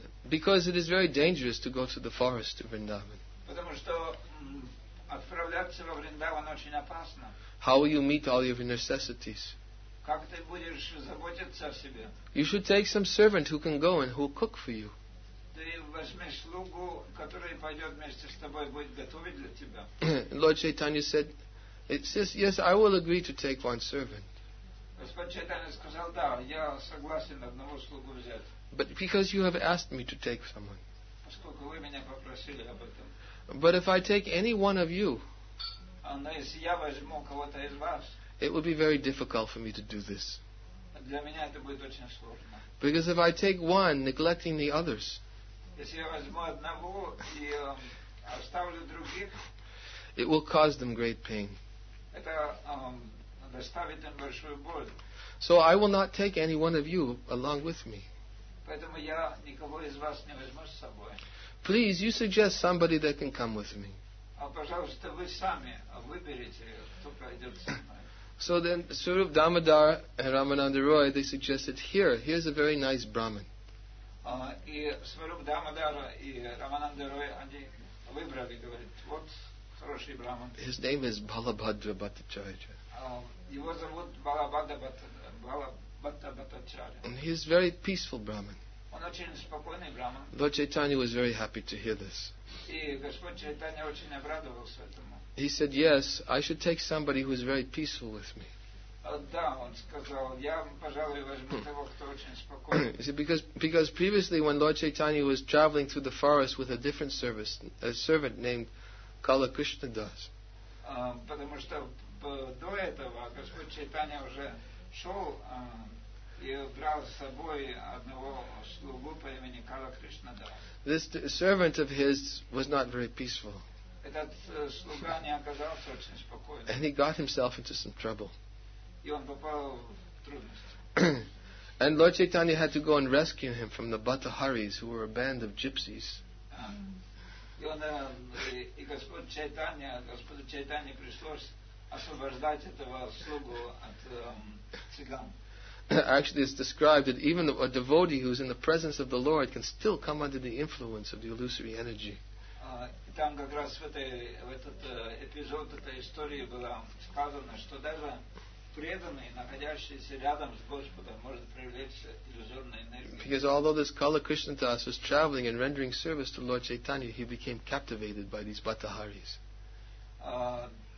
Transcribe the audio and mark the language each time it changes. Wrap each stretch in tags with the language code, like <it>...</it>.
<en>Because it is very dangerous to go to the forest of Vrindavan.</en> <ru>Потому что отправляться во Вриндаван очень опасно.</ru> <en>How will you meet all your necessities?</en> <ru>Как ты будешь заботиться о себе?</ru> <en>You should take some servant who can go and who will cook for you.</en> <ru>Ты возьми слугу, который пойдет вместе с тобой, будет готовить для тебя.</ru> <en>Lord Chaitanya said, it says, yes, I will agree to take one servant.</en> <ru>Господь Чайтанья сказал, да, я согласен одного слугу взять.</ru> <en>But because you have asked me to take someone.</en> <ru>Поскольку вы меня попросили об этом.</ru> <en>But if I take any one of you,</en> <ru>но если я возьму кого-то из вас,</ru> <en>it would be very difficult for me to do this.</en> <ru>Для меня это будет очень сложно.</ru> <en>Because if I take one, neglecting the others,</en> <ru>если я возьму одного и оставлю других,</ru> <en>it will cause them great pain.</en> <ru>Это доставит им большую боль.</ru> <en>So I will not take any one of you along with me.</en> <ru>Поэтому я никого из вас не возьму с собой.</ru> <en>Please, you suggest somebody that can come with me.</en> <ru>А пожалуйста, вы сами выберите, кто пойдет со мной.</ru> <en>So then, Surup Damodar and Ramananda Roy, they suggested, here's a very nice Brahmin.</en> <ru>И Сварупа Дамодара и Рамананда Роя, они выбрали, говорит, вот хороший браман.</ru> <en>His name is Балабхадра Бхаттачарья.</en> <ru>Его зовут Балабхадра Бхаттачарья.</ru> <en>And he is very peaceful Brahmin.</en> <ru>Он очень спокойный браман.</ru> <en>Lord Chaitanya was very happy to hear this.</en> <ru>И Господь Чайтанья очень обрадовался этому.</ru> <en>He said, yes, I should take somebody who is very peaceful with me.</en> <ru>Да, он сказал, я, пожалуй, возьму того, кто очень спокойный.</ru> <en>See, because previously when Lord Chaitanya was traveling through the forest with a different service, a servant named Kala Krishna Das.</en> <ru>Потому что до этого Господь Чайтанья уже шел и брал с собой одного слугу по имени Кала Кришна Дас.</ru> <en>This servant of his was not very peaceful.</en> <ru>Этот слуга не оказался очень спокойным.</ru> <en>And he got himself into some trouble.</en> <ru>И он попал в трудности.</ru> <en>And Lord Chaitanya had to go and rescue him from the Bataharis, who were a band of gypsies.</en> <ru>И Господу Чайтанье пришлось освобождать этого слугу от цыган.</ru> <en>Actually, it's described that even a devotee who is in the presence of the Lord can still come under the influence of the illusory energy.</en> <ru>Там как раз в этот эпизод этой истории было сказано, что даже преданный, находящийся рядом с Господом, может привлечься иллюзорной энергией.</ru> <en>Because although this Kala Krishna Das was traveling and rendering service to Lord Chaitanya, he became captivated by these Bataharis.</en>